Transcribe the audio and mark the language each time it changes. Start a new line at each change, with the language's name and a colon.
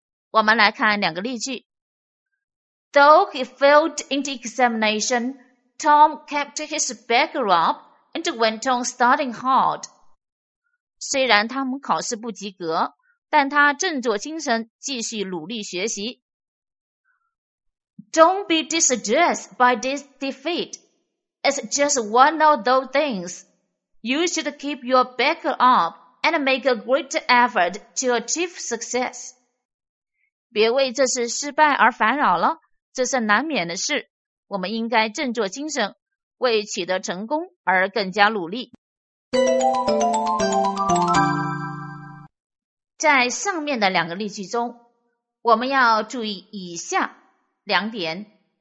Chinese: 我们来看两个例句，
English: Though he failed in the examination, Tom kept his back up and went on studying hard。
Chinese: 虽然他们考试不及格，但他振作精神，继续努力学习。
English: Don't be distressed by this defeat. It's just one of those things. You should keep your back up and make a great effort to achieve success.
Chinese: 别为这次失败而烦扰了，这是难免的事。我们应该振作精神，为取得成功而更加努力。在上面的两个例句中，我们要注意以下两点。